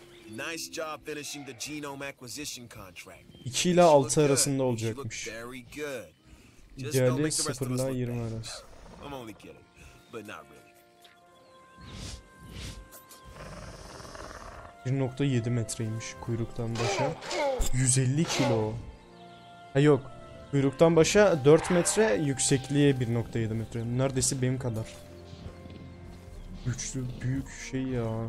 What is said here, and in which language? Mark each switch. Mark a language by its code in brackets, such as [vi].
[en] Nice job finishing the genome acquisition contract. [tr] 2 ile 6 arasında olacakmış. Geldi 0 ile 20 arası. [en] I'm only kidding, but not really. [tr] 1.7 metreymiş kuyruktan başa. 150 kilo. Ha yok. Kuyruktan başa 4 metre, yüksekliğe 1.7 metre. Neredeyse benim kadar. Güçlü büyük şey ya.